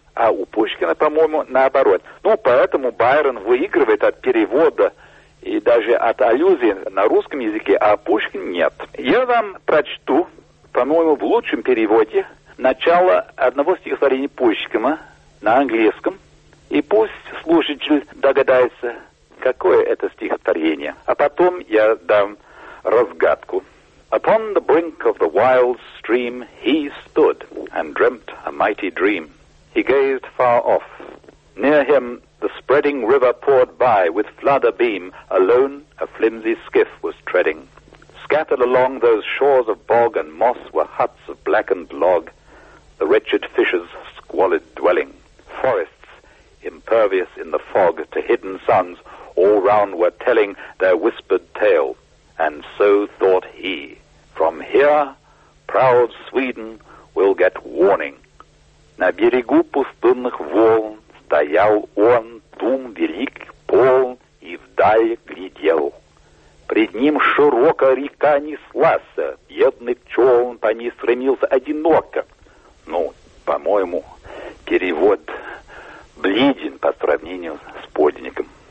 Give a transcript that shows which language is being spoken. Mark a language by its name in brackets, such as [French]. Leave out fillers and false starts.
[Russian] А у Пушкина, по-моему, наоборот. Ну, поэтому Байрон выигрывает от перевода и даже от аллюзии на русском языке, а Пушкин нет. Я вам прочту, по-моему, в лучшем переводе, начало одного стихотворения Пушкина на английском. И пусть слушатель догадается, какое это стихотворение. А потом я дам разгадку. [English] Upon the brink of the wild stream he stood and dreamt a mighty dream. He gazed far off. Near him, the spreading river poured by with flood abeam. Alone, a flimsy skiff was treading. Scattered along those shores of bog and moss were huts of blackened log, the wretched fisher's squalid dwelling. Forests, impervious in the fog to hidden suns, all round were telling their whispered tale. And so thought he, from here, proud Sweden will get warning. [Russian] На берегу пустынных волн стоял он, дум велик, полн, и вдаль глядел. Пред ним широко река неслась, бедный пчелн по ней стремился одиноко. Ну, по-моему, перевод бледен по сравнению с подником.